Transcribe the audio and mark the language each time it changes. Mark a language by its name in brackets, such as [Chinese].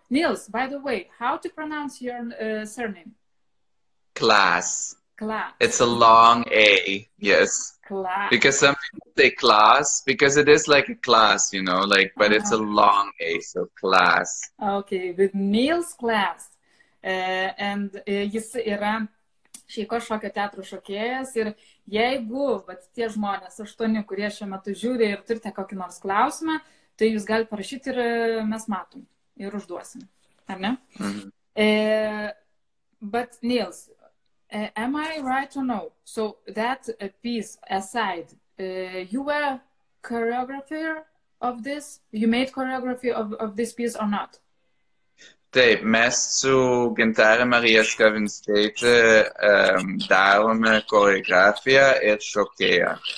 [English] Nils, by the way, how to pronounce your surname? Klass. Class. It's a long A, yes. Class. Because some people say class, because it is like a class, you know, like, but it's a long A, so class. Okay, with Neil's class. [Lithuanian] And jis yra Šeiko šokio teatro šokėjas. Ir jeigu vat, tie žmonės, aštuoni, kurie šiuo metu žiūri ir turite kokį nors klausimą, tai jūs galite parašyti ir mes matom ir užduosim. Ar ne? [English] But Nils, am I right or no? So that piece aside, you were choreographer of this? You made choreography of this piece or not? [Lithuanian] Taip, mes su Gintare Marija Skavinskaitė darome choreografiją ir šokėją.